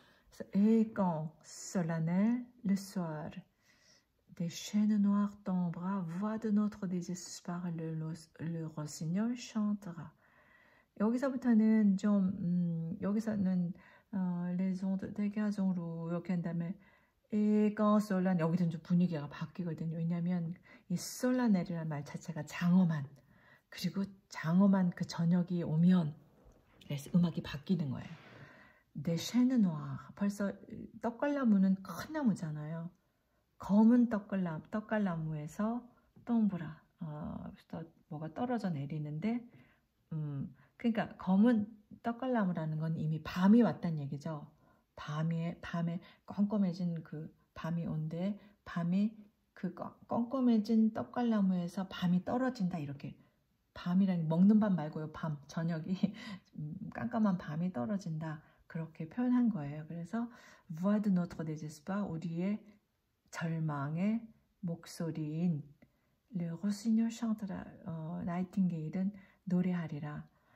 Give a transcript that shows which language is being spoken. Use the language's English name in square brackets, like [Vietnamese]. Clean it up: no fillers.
[Korean] 그래서 [French] Et quand solennel le soir Des chênes noirs tombera, voix de notre désespoir, le rossignol chantera. [Korean] 여기서부터는 좀, 여기서는 [French] les ondes des gazons [Korean] 로 이렇게 한 다음에 [French] et quand solennel [Korean] 여기서는 좀 분위기가 바뀌거든요. 왜냐하면 이 solennel이라는 말 자체가 장엄한 그리고 장엄한 그 저녁이 오면 그래서 음악이 바뀌는 거예요. [French] Des chênes noirs [Korean] 벌써 떡갈나무는 큰 나무잖아요. 검은 떡갈나무에서 동그라 뭐가 떨어져 내리는데 그러니까 검은 떡갈나무라는 건 이미 밤이 왔단 얘기죠. 밤에 껌껌해진 그 밤이 온대. 밤이 그 껌껌해진 떡갈나무에서 밤이 떨어진다 이렇게 밤이란 먹는 밤 말고요. 밤 저녁이 깜깜한 밤이 떨어진다 그렇게 표현한 거예요. 그래서 [French] Voix de notre désespoir [Korean] 우리의 절망의 목소리인 [French] Le Rossignol chantera [Korean] 나이팅게일은 노래하리라.